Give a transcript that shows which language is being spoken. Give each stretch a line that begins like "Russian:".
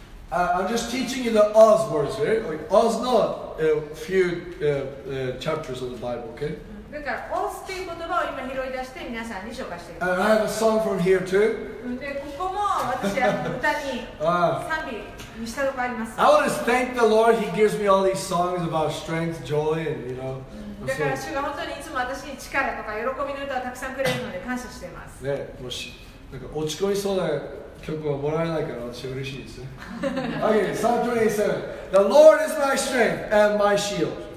English: I'm just teaching you the Oz words, right? Like, Oz not a few chapters of the Bible, OK?
Japanese: だからオースという言葉を今拾い出して皆さんに紹介しています
English: And I have a song from here too.
Japanese: でここも私は歌に賛美にしたとこあります。
English: I want to thank the Lord. He gives me all these songs about strength, joy, and you know.
Japanese: だから主が本当にいつも私に力とか喜びの歌をたくさんくれるので感謝しています。ね、もしなんか落ち込みそうな曲はもらえないから私は嬉しいですね。
English: Okay, Psalm 27. The Lord is my strength and my shield.